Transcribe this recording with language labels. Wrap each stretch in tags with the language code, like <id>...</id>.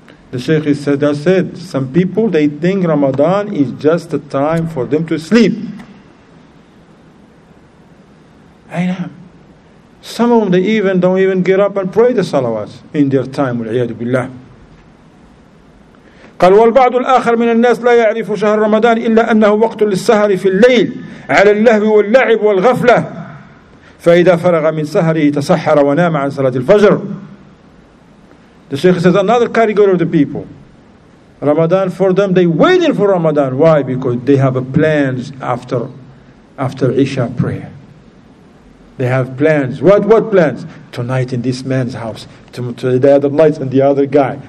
<en>The Sheikh said, I said, some people, they think Ramadan is just the time for them to sleep. I know. Some of them, they even don't even get up and pray the salawats in their time,</en> <ar>wal-iyadu billah. قال والبعض الآخر من الناس لا يعرف شهر رمضان إلا أنه وقت للسهر في الليل على اللهو واللعب والغفلة فإذا فرغ من سهره تسحر ونام عن صلاة الفجر.</ar> <en>The Sheikh says another category of the people. Ramadan for them, they waiting for Ramadan. Why? Because they have a plans after Isha prayer. They have plans. What plans? Tonight in this man's house. To the other nights and the other guy.</en>